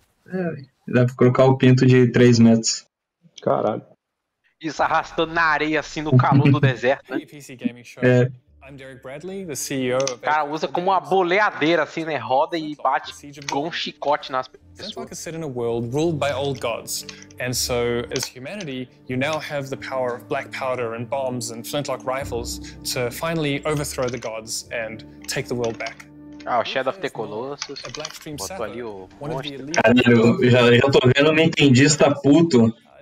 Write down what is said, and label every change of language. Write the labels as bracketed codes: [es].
[pt] É, dá pra colocar o pinto de 3 metros. Caralho. Isso arrastando na areia, assim, no calor do deserto, né? É. [en] I'm Derek Bradley, the CEO of... [pt] Cara, usa como uma boleadeira, assim, né? Roda e bate com um chicote nas pessoas. [en] In a world ruled by old gods. And so, as humanity, you now have the power of black powder and bombs and flintlock rifles to finally overthrow the gods and take the world back. [pt] Ah, o Shadow of the Colossus. A Blackstream Sapper, ali o caralho, já tô vendo, não entendi, isso tá puto.